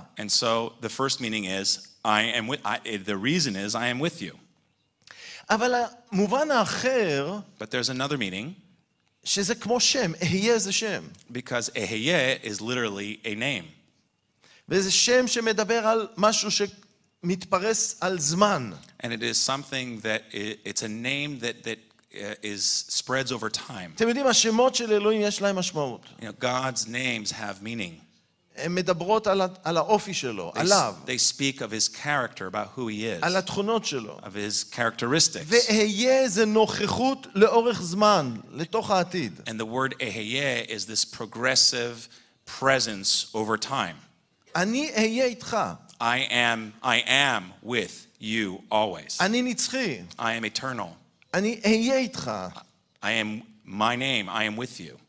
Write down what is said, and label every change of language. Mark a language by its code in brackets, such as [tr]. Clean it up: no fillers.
[en] And so the first meaning is I am with the reason is I am with you. [he] אבל המובן האחר [en] But there's another meaning. [he] שזה כמו שם, אהיה זה שם. [en] Because אהיה is literally a name. [he] וזה שם שמדבר על משהו שמתפרס על זמן. [en] And it is something that it's a name that is spreads over time. [he] אתם יודעים, השמות של אלוהים יש להם משמעות. [en] You know, God's names have meaning. [he] הם מדברות על האופי שלו, עליו. [en] They speak of his character, about who he is. [he] על התכונות שלו. [en] Of his characteristics. [he] והיה זה נוכחות לאורך זמן, לתוך העתיד. [en] And the word אהיה is this progressive presence over time. [he] אני אהיה איתך. [en] I am with you always. [he] אני נצחי. [en] I am eternal. [he] אני אהיה איתך. [en] I am my name. I am with you.